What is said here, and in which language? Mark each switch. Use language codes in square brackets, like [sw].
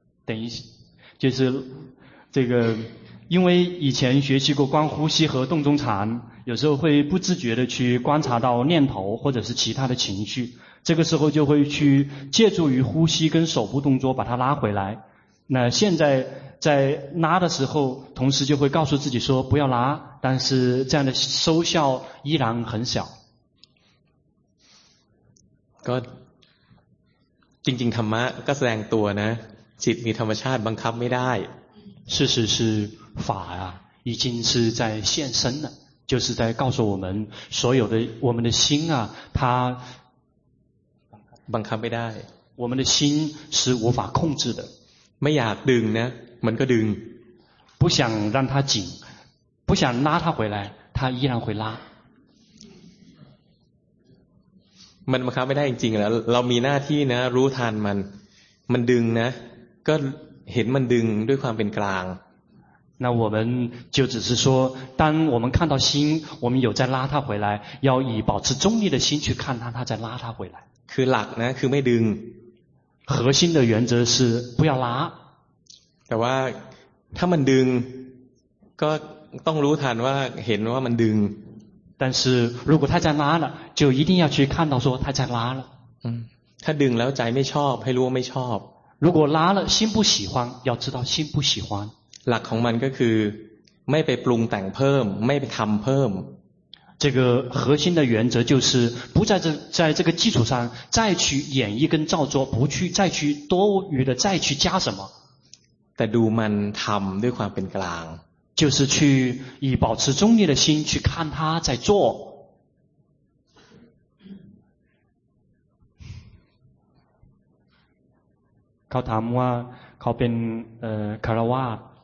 [zh] 等一下就是这个因为以前学习过观呼吸和洞中禅有时候会不自觉的去观察到念头或者是其他的情绪这个时候就会去借助于呼吸跟手部动作把它拉回来那现在在拉的时候同时就会告诉自己说不要拉但是这样的收效依然很小 [th] ก็จริงๆธรรมะก็แสดงตัวนะจิตมีธรรมชาติบังคับไม่ได้ [zh] 事实是法啊已经是在现身了就是在告诉我们所有的我们的心啊它 [th] บังคับไม่ได้ [zh] 我们的心是无法控制的 [th] ไม่อยากดึงนะมันก็ดึง [zh] 不想让它紧不想拉它回来它依然会拉 [th] มันบังคับไม่ได้จริงๆแล้วเรามีหน้าที่นะรู้ทันมันมันดึงนะก็เห็นมันดึงด้วยความเป็นกลาง [zh] 那我们就只是说当我们看到心我们有在拉它回来要以保持中立的心去看它它在拉它回来 [th] คือหลักนะคือไม่ดึง [zh] 核心的原则是不要拉 [th] แต่ว่าถ้ามันดึงก็ต้องรู้ทันว่าเห็นว่ามันดึง [zh] 但是如果它在拉了就一定要去看到说它在拉了 [th] ถ้าดึงแล้วใจไม่ชอบให้รู้ว่าไม่ชอบ [zh] 如果拉了心不喜欢要知道心不喜欢 [th] หลักของมันก็คือไม่ไปปรุงแต่งเพิ่มไม่ไปทำเพิ่ม [zh] 这个核心的原则就是不在这在这个基础上再去演绎跟造作不去再去多余的再去加什么 [th] แต่ดูมันทำด้วยความเป็นกลาง [zh] 就是去以保持中立的心去看他在做 [th] เขาถามว่าเขาเป็นคารวาส